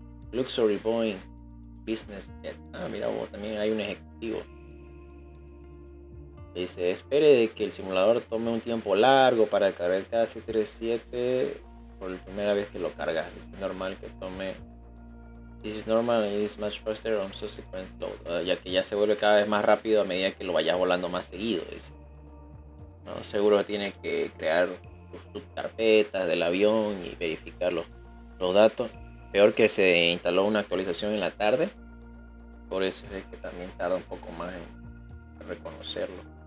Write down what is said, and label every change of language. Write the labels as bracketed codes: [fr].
[es] Luxury Boeing Business Jet. Ah, mira, vos, también hay un ejecutivo. Dice, espere de que el simulador tome un tiempo largo para cargar cada 737 por la primera vez que lo cargas. Es normal que tome. [en] This is normal and it is much faster on subsequent load. [es] Ya que ya se vuelve cada vez más rápido a medida que lo vayas volando más seguido. Dice. No, seguro tiene que crear sus carpetas del avión y verificar los datos. Peor que se instaló una actualización en la tarde. Por eso es que también tarda un poco más en reconocerlo.